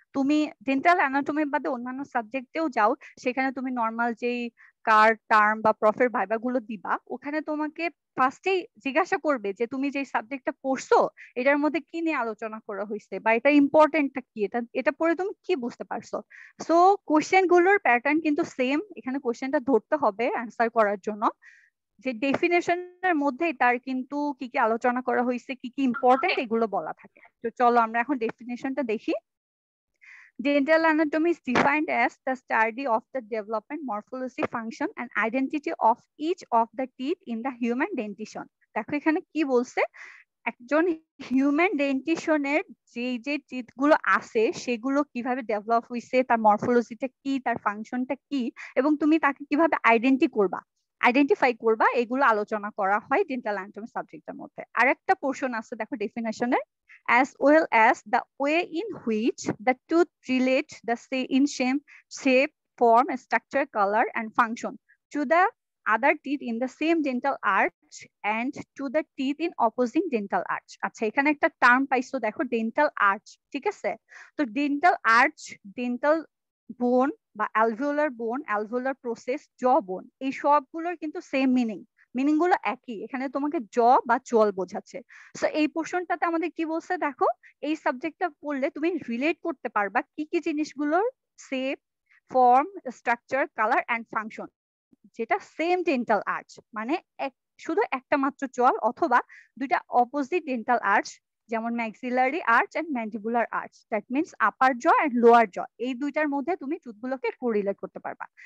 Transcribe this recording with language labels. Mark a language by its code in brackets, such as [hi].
[bn] তুমি dental anatomy বাদে অন্যান্য সাবজেক্টেও যাও, সেখানে তুমি নর্মাল যেই কার টার্ম বা প্রফের ভাইবা গুলো দিবা, ওখানে তোমাকে ফার্স্টেই জিজ্ঞাসা করবে যে তুমি যে সাবজেক্টটা পড়ছো এটার মধ্যে কি নিয়ে আলোচনা করা হয়েছে, বা এটা ইম্পর্টেন্টটা কি, এটা এটা পড়ে তুমি কি বুঝতে পারছো। সো কোশ্চেন গুলোর প্যাটার্ন কিন্তু সেম, এখানে কোশ্চেনটা ধরতে হবে অ্যান্সার করার জন্য, যে ডেফিনেশনের মধ্যেই তার কিন্তু কি কি আলোচনা করা হয়েছে, কি কি ইম্পর্টেন্ট এগুলো বলা থাকে। তো চলো আমরা এখন ডেফিনেশনটা দেখি। [en] Dental anatomy is defined as the study of the development, morphology, function and identity of each of the teeth in the human dentition. [bn] দেখো এখানে কি বলছে, একজন হিউম্যান ডেন্টিশনের যে যে টিথ গুলো আছে সেগুলো কিভাবে ডেভেলপ হয়েছে, তার মরফোলজিটা কি, তার ফাংশনটা কি, এবং তুমি তাকে কিভাবে আইডেন্টিফাই করবা, এগুলো আলোচনা করা হয় ডেন্টাল অ্যানাটমি সাবজেক্টের মধ্যে। আর একটা পোর্শন আছে দেখো ডেফিনেশনের, [en] as well as the way in which the tooth relate the same in shape, shape form structure color and function to the other teeth in the same dental arch and to the teeth in opposing dental arch. [bn] আচ্ছা এখানে একটা term পাইছো দেখো, dental arch. ঠিক আছে, তো dental arch, dental বোন বা অ্যালভিওলার বোন, অ্যালভিওলার প্রসেস, জ বোন, এই সবগুলোর কিন্তু সেম মিনিং, মিনিং গুলো একই, এখানে তোমাকে জ বা চল বোঝাচ্ছে। সো এই পোর্শনটাতে আমাদের কি বলছে দেখো, এই সাবজেক্টটা পড়লে তুমি রিলেট করতে পারবা কি কি জিনিসগুলোর shape form structure colour and function, যেটা সেম ডেন্টাল আর্চ, মানে এক শুধু একটা মাত্র চল অথবা দুইটা অপোজিট ডেন্টাল আর্চ, যেমন maxillary arch and mandibular arch, that means আপার জ এন্ড লোয়ার জ, এই দুইটার মধ্যে তুমি টুথগুলোকে কোরিলেট করতে পারবা।